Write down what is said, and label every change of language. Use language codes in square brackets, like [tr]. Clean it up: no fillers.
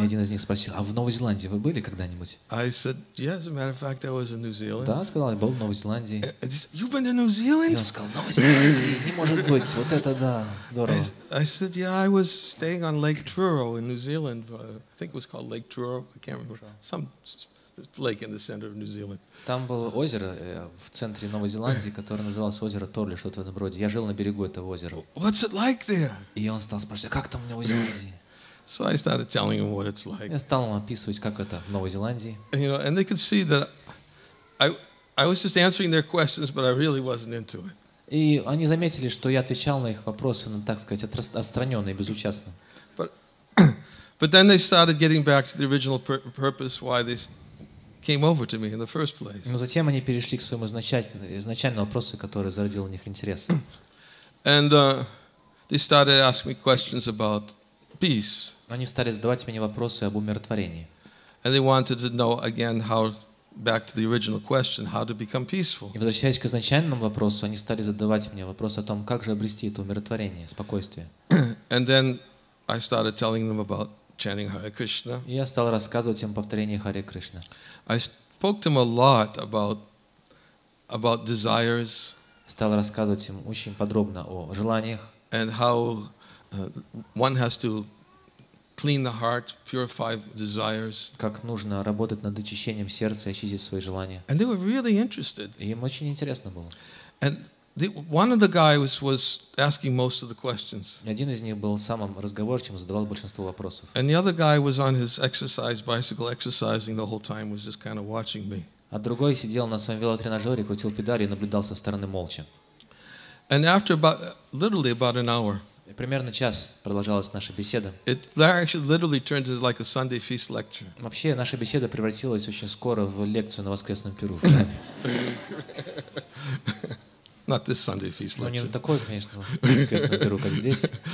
[ru] И один из них спросил: "А в Новой Зеландии вы были когда-нибудь?" [en] I said, "Yes, as a matter of fact, I was in New Zealand." [ru] Да, сказал, я был в Новой Зеландии. [en] And he said, "You've been to New Zealand?" [ru] И он сказал: "Новой Зеландии, не может быть, вот это да, здорово." [en] I said, "Yeah, I was staying on Lake Truro in New Zealand. I think it was called Lake Truro. I can't remember. Some lake in the center of New Zealand." [ru] Там было озеро в центре Новой Зеландии, которое называлось озеро Торли, что-то в этом роде. Я жил на берегу этого озера. [en] What's it like there? [ru] И он стал спрашивать, как там в Новой Зеландии? [en] So I started telling him what it's like. [ru] Я стал ему описывать, как это в Новой Зеландии. [en] You know, and they could see that I was just answering their questions, but I really wasn't into it. [ru] И они заметили, что я отвечал на их вопросы, ну, так сказать, отстраненно и безучастно. [en] But then they started getting back to the original purpose why they came over to me in the first place. [ru] Но затем они перешли к своему изначальному вопросу, который зародил у них интерес. [en] And they started asking me questions about peace. [ru] Они стали задавать мне вопросы об умиротворении. [en] And they wanted to know again how, back to the original question, how to become peaceful. [ru] И возвращаясь к изначальному вопросу, они стали задавать мне вопрос о том, как же обрести это умиротворение, спокойствие. [en] And then I started telling them about chanting Hare Krishna. [ru] Я стал рассказывать им повторение Харе Кришна. [en] I spoke to him a lot about desires. [ru] Стал рассказывать им очень подробно о желаниях. [en] And how one has to clean the heart, purify desires. [ru] Как нужно работать над очищением сердца и очистить свои желания. [en] And they were really interested. [ru] И им очень интересно было. [en] And one of the guys was asking most of the questions. [ru] Один из них был самым разговорчивым, задавал большинство вопросов. [en] And the other guy was on his exercise bicycle, exercising the whole time, was just kind of watching me. [ru] А другой сидел на своем велотренажере, крутил педали и наблюдал со стороны молча. [en] And after about literally about an hour. [ru] Примерно час продолжалась наша беседа. [en] It actually literally turned into like a Sunday feast lecture. [ru] Вообще наша беседа превратилась очень скоро в лекцию на воскресном пиру. [en] Not this Sunday feast lecture. [ru] Ну, не такой, конечно, воскресный пиру, как здесь.